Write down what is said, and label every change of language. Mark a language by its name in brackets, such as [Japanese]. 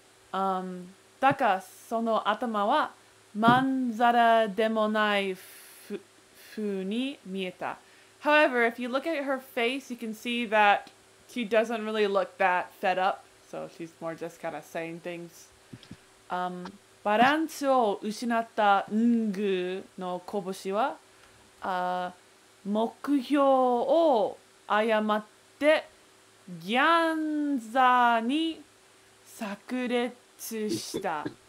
[Japanese] だがその頭はまんざらでもないふうに見えた。 [English] However, if you look at her face, you can see that she doesn't really look that fed up. So she's more just kind of saying things. [Japanese] バランスを失ったんぐの拳は目標を誤ってギャンザーに炸裂した。